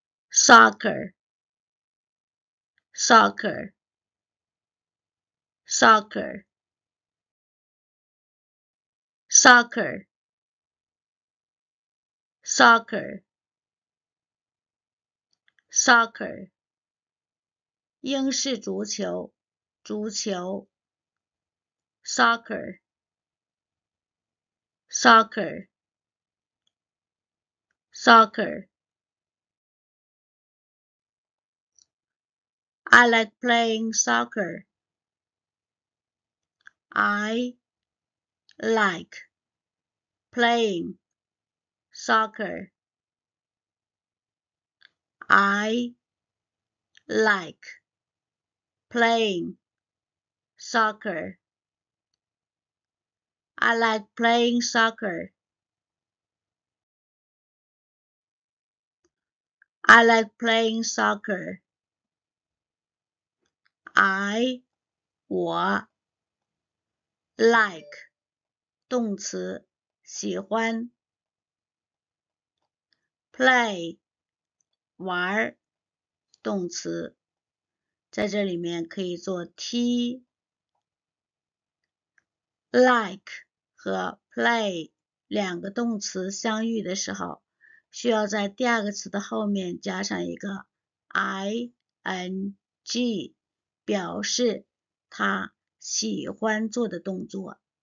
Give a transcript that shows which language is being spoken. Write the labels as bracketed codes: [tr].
[en] Soccer, soccer, soccer, soccer, soccer. [zh] Soccer, 英式足球，足球。 [en] Soccer, soccer, soccer. I like playing soccer. I like playing soccer. I like playing soccer. I like playing soccer. I like playing soccer. I [zh] 我 [en] like [zh] 动词喜欢 [en] play. [zh] 玩动词在这里面可以做 T, like 和 play 两个动词相遇的时候需要在第二个词的后面加上一个 ing, 表示他喜欢做的动作。